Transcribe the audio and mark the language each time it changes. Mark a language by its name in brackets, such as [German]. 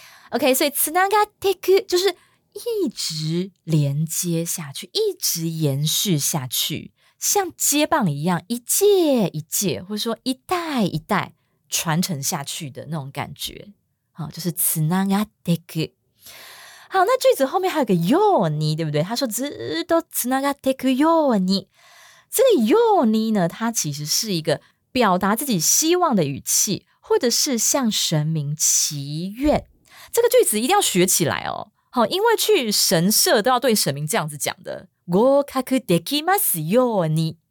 [Chinese] OK， 所以つながっていく就是一直连接下去，一直延续下去，像接棒一样，一届一届或者说一代一代传承下去的那种感觉，好，就是つながっていく。好，那句子后面还有个ように，对不对？他说 [Japanese] ずっとつながっていくように。 [Chinese] 这个ように呢，它其实是一个表达自己希望的语气，或者是向神明祈愿。这个句子一定要学起来哦。好，因为去神社都要对神明这样子讲的。 [Japanese] 合格できますように，